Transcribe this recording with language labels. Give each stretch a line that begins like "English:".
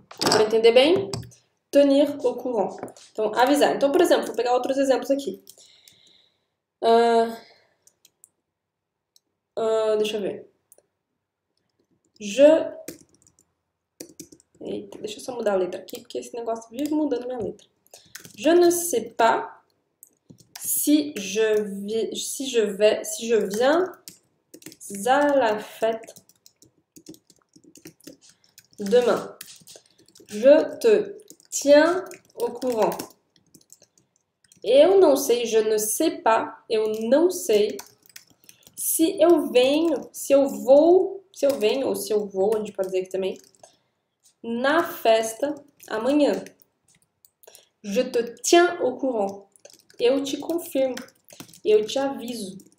Portuguese: Pra entender bem,
French: tenir au courant.
Portuguese: Então, avisar. Então, por exemplo, vou pegar outros exemplos aqui. Deixa eu ver. Eita, deixa eu só mudar a letra aqui, porque esse negócio vive mudando minha letra.
French: Je ne sais pas si je viens à la fête demain. Je te tiens au courant.
Portuguese: Eu não sei,
French: je ne sais pas,
Portuguese: eu não sei se eu venho, se eu vou. Se eu venho ou se eu vou, a gente pode dizer aqui também. Na festa amanhã.
French: Je te tiens au courant.
Portuguese: Eu te confirmo. Eu te aviso.